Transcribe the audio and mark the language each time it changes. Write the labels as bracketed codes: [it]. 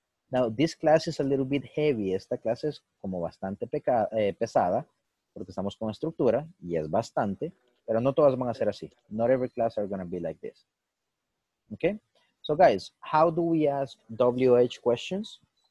[en] Now, this class is a little bit heavy. [es] Esta clase es como bastante pesada porque estamos con estructura y es bastante. Pero no todas van a ser así. [en] Not every class are going to be like this. Okay? So, guys, how do we ask WH questions?